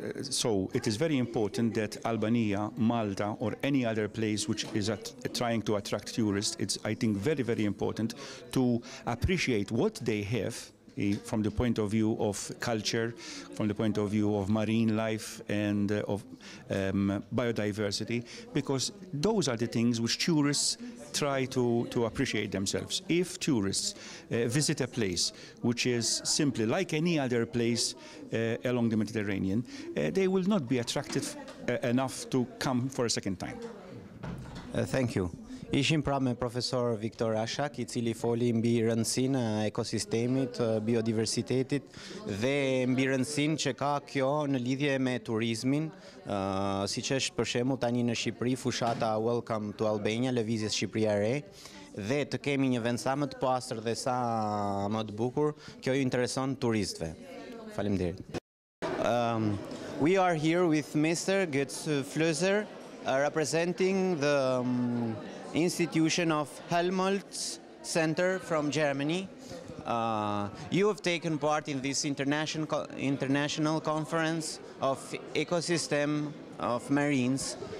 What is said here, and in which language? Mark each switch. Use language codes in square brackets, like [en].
[en] So it is very important that Albania, Malta, or any other place which is trying to attract tourists, it's, I think, very, very important to appreciate what they have from the point of view of culture, from the point of view of marine life and of biodiversity, because those are the things which tourists try to appreciate themselves. If tourists visit a place which is simply like any other place along the Mediterranean, they will not be attracted enough to come for a second time. Thank you. [sq] Ishim pra me profesor Victor Axiak, I cili foli mbi rëndësinë e ekosistemit, biodiversitetit dhe mbi rëndësinë që ka kjo në lidhje me turizmin, siç është për shembull tani në Shqipëri fushata Welcome to Albania, lëvizjes Shqipëria e Re, dhe të kemi një vend sa më të pastër dhe sa më të bukur, kjo ju intereson turistëve. Faleminderit. [en] We are here with Mr. Götz Flözer, representing the institution of Helmholtz Center from Germany. You have taken part in this international conference of ecosystem of marines.